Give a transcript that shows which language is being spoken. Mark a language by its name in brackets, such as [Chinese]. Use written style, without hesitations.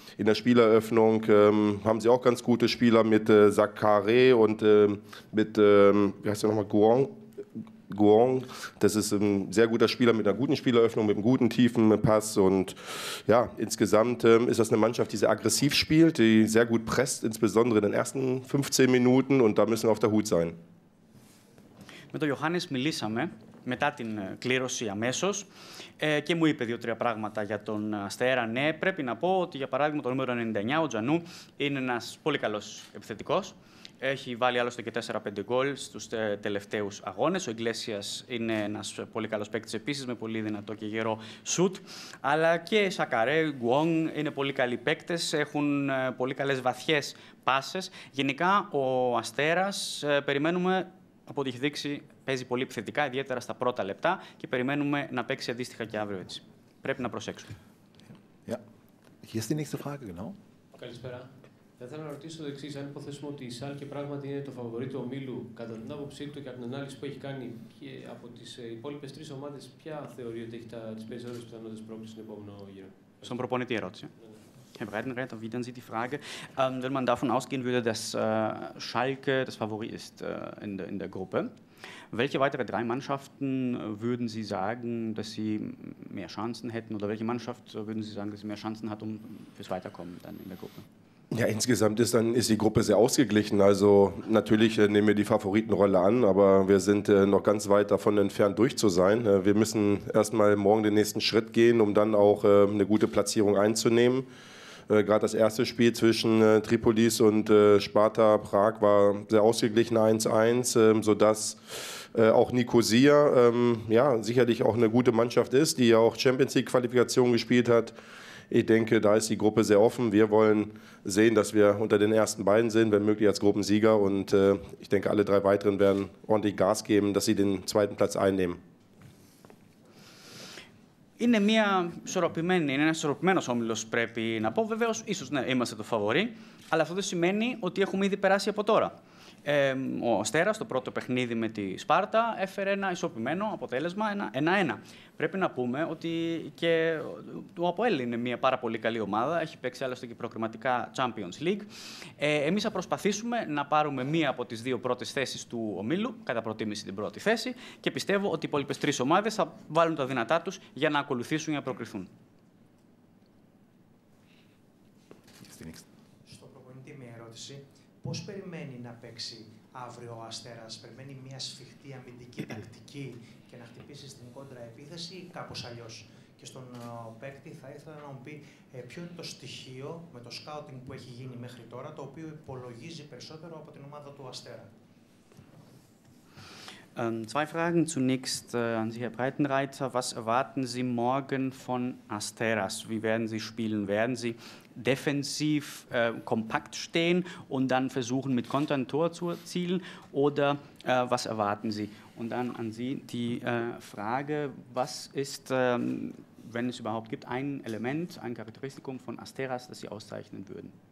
[German] In der Spieleröffnung haben sie auch ganz gute Spieler mit Sakare und mit, wie heißt der nochmal, Guang. Das ist ein sehr guter Spieler mit einer guten Spieleröffnung, mit einem guten tiefen Pass. Und ja, insgesamt ist das eine Mannschaft, die sehr aggressiv spielt, die sehr gut presst, insbesondere in den ersten 15 Minuten. Und da müssen wir auf der Hut sein. Mit dem [Greek] Johannes μιλήσαμε μετά την κλήρωση αμέσως. Και μου είπε 2-3 πράγματα για τον Αστέρα. Ναι, πρέπει να πω ότι για παράδειγμα το νούμερο 99, ο Τζανού, είναι ένας πολύ καλός επιθετικός. Έχει βάλει άλλωστε και 4-5 γκολ στους τελευταίους αγώνες. Ο Ιγκλέσιας είναι ένας πολύ καλός παίκτης επίσης, με πολύ δυνατό και γερό σουτ. Αλλά και Σακαρέ, Γκουόνγκ είναι πολύ καλοί παίκτες, έχουν πολύ καλές βαθιές πάσες. Γενικά, ο Αστέρας, περιμένουμε, από ό,τι έχει δείξει, παίζει πολύ επιθετικά, ιδιαίτερα στα πρώτα λεπτά, και περιμένουμε να παίξει αντίστοιχα και αύριο έτσι. Πρέπει να προσέξουμε. [English] Yeah. Here's the next frage, [German] genau. [Greek] Καλησπέρα. Θα ήθελα να ρωτήσω το εξής. Αν υποθέσουμε ότι η Σάλκε πράγματι είναι το φαβορί του ομίλου, κατά την άποψή του και από την ανάλυση που έχει κάνει από τις υπόλοιπες τρεις ομάδες, ποια θεωρεί ότι έχει τις περισσότερες πιθανότητες πρόκλησης στον επόμενο γύρο? Στον προπονητή ερώτηση. [German] Herr Breitenreiter, wieder an Sie die Frage. Wenn man davon ausgehen würde, dass Schalke das Favorit ist in der Gruppe, welche weitere drei Mannschaften würden Sie sagen, dass sie mehr Chancen hätten? Oder welche Mannschaft würden Sie sagen, dass sie mehr Chancen hat, um fürs Weiterkommen dann in der Gruppe? Ja, insgesamt ist die Gruppe sehr ausgeglichen. Also natürlich nehmen wir die Favoritenrolle an, aber wir sind noch ganz weit davon entfernt, durch zu sein. Wir müssen erstmal morgen den nächsten Schritt gehen, um dann auch eine gute Platzierung einzunehmen. Gerade das erste Spiel zwischen Tripolis und Sparta Prag war sehr ausgeglichen, 1-1, sodass auch Nicosia sicherlich auch eine gute Mannschaft ist, die ja auch Champions League Qualifikation gespielt hat. Ich denke, da ist die Gruppe sehr offen. Wir wollen sehen, dass wir unter den ersten beiden sind, wenn möglich als Gruppensieger. Und ich denke, alle drei weiteren werden ordentlich Gas geben, dass sie den zweiten Platz einnehmen. [Greek] Είναι μια ισορροπημένη, είναι ένας ισορροπημένος όμιλος, πρέπει να πω. Βεβαίως, ίσως ναι, είμαστε το φαβορί, αλλά αυτό δεν σημαίνει ότι έχουμε ήδη περάσει από τώρα. Ο Αστέρας, το πρώτο παιχνίδι με τη Σπάρτα, έφερε ένα ισορροπημένο αποτέλεσμα, 1-1. Πρέπει να πούμε ότι και ο ΑΠΟΕΛ είναι μια πάρα πολύ καλή ομάδα, έχει παίξει άλλωστε και προκριματικά Champions League. Εμείς θα προσπαθήσουμε να πάρουμε μία από τις δύο πρώτες θέσεις του ομίλου, κατά προτίμηση την πρώτη θέση, και πιστεύω ότι οι υπόλοιπες τρεις ομάδες θα βάλουν τα δυνατά τους για να ακολουθήσουν ή να προκριθούν. Στο προπονητή, μία ερώτηση. Πώς περιμένει να παίξει αύριο ο Αστέρας? Περιμένει μια σφιχτή αμυντική τακτική και να χτυπήσει στην κόντρα επίθεση ή κάπως αλλιώς? Και στον παίκτη θα ήθελα να μου πει ποιο είναι το στοιχείο με το σκάουτινγκ που έχει γίνει μέχρι τώρα, το οποίο υπολογίζει περισσότερο από την ομάδα του Αστέρα. [German] Zwei Fragen zunächst an Sie, Herr Breitenreiter. Was erwarten Sie morgen von Asteras? Wie werden Sie spielen? Werden Sie defensiv kompakt stehen und dann versuchen, mit Kontern ein Tor zu erzielen? Oder was erwarten Sie? Und dann an Sie die Frage, was ist, wenn es überhaupt gibt, ein Element, ein Charakteristikum von Asteras, das Sie auszeichnen würden?